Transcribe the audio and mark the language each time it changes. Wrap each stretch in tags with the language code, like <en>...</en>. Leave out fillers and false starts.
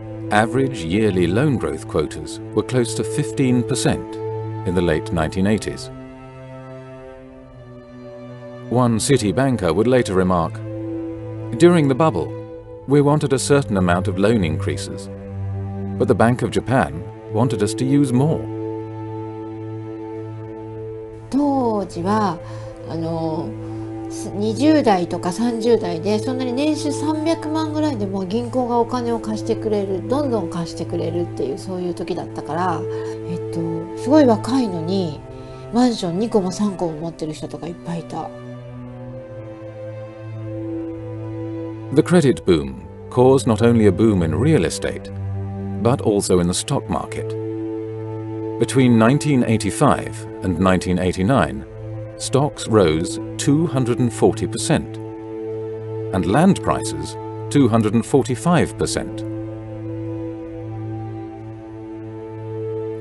<en>Average yearly loan growth quotas were close to 15% in the late 1980s. One city banker would later remark, "During the bubble, we wanted a certain amount of loan increases, but the Bank of Japan wanted us to use more.</en> <ja>当時は20代とか30代でそんなに年収300万ぐらいでも銀行がお金を貸してくれる、どんどん貸してくれるっていう、そういう時だったから、すごい若いのにマンション2個も3個も持ってる人とかいっぱいいた。</ja> <en>The credit boom caused not only a boom in real estate but also in the stock market. Between 1985 and 1989stocks rose 240% and land prices 245%.</en>